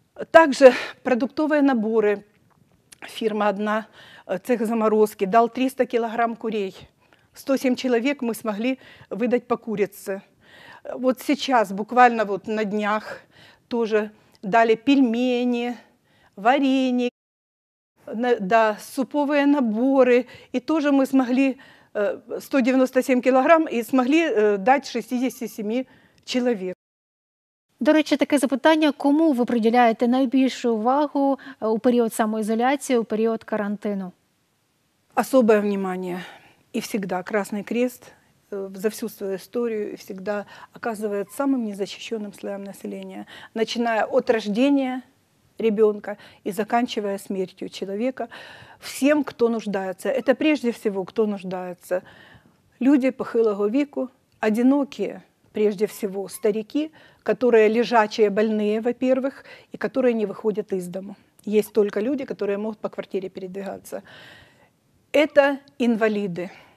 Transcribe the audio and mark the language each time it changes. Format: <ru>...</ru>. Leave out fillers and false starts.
<ru>Также продуктовые наборы. Фирма одна, цех заморозки, дал 300 килограмм курей. 107 человек мы смогли выдать по курице. Вот сейчас, буквально вот на днях, тоже дали пельмени, варенье, да, суповые наборы. И тоже мы смогли</ru> <uk>197 кілограм і змогли дати 67 чоловік. До речі, таке запитання, кому ви приділяєте найбільшу увагу у період самоізоляції, у період карантину?</uk> <ru>Особе внимание</ru> <uk>і завжди Красний Крест за всю свою історію і завжди оказує самим незахищеним слоям населення, починаючи від народження</uk> <ru>ребенка и заканчивая смертью человека, всем, кто нуждается. Это прежде всего, кто нуждается. Люди</ru> <uk>похилого веку,</uk> <ru>одинокие, прежде всего, старики, которые лежачие, больные, во-первых, и которые не выходят из дому. Есть только люди, которые могут по квартире передвигаться. Это инвалиды.</ru>